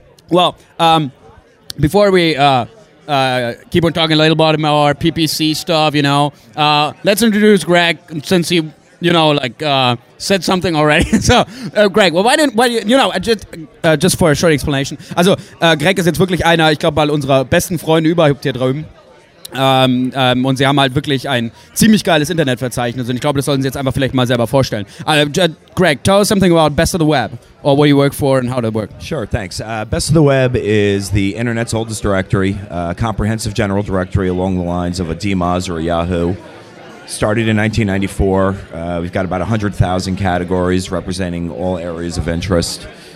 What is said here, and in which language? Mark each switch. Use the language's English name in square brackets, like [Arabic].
[English] Well, before we keep on talking a little about our PPC stuff, you know, let's introduce Greg since he, you know, like said something already. So, Greg, well, just for a short explanation. [German] Also, Greg ist jetzt wirklich einer, ich glaube, mal unserer besten Freunde überhaupt hier drüben. Und sie haben halt wirklich ein ziemlich geiles Internetverzeichnis. Und ich glaube, das sollten sie jetzt einfach vielleicht mal selber vorstellen. [English] Greg, tell us something about Best of the Web or what you work for and how it works. Sure, thanks. Best of the Web is the internet's oldest directory, comprehensive general directory along the lines of a DMOZ or a Yahoo. Started in 1994, we've got about 100,000 categories representing all areas of interest.